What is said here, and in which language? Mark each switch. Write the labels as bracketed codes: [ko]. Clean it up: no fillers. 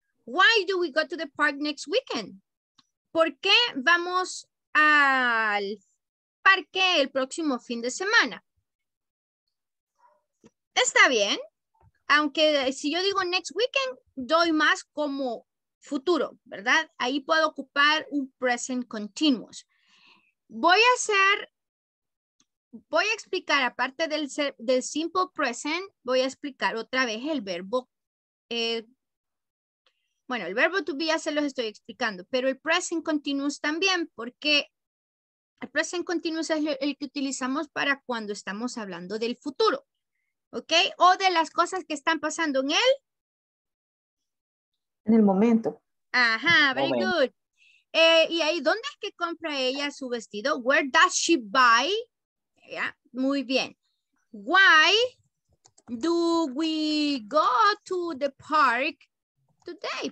[en] Why do we go to the park next weekend? [es] ¿Por qué vamos al parque el próximo fin de semana? Está bien. Aunque si yo digo next weekend, doy más como futuro, ¿verdad? Ahí puedo ocupar un present continuous. Voy a explicar, aparte del simple present, voy a explicar otra vez el verbo. Bueno, el verbo to be ya se los estoy explicando, pero el present continuous también, porque el present continuous es el que utilizamos para cuando estamos hablando del futuro, ¿ok? O de las cosas que están pasando en él. En el momento. [en] Ajá, very good. [es] Y ahí, ¿dónde es que compra ella su vestido? [en] Where does she buy? Yeah, [es] muy bien. [en] Why do we go to the park today?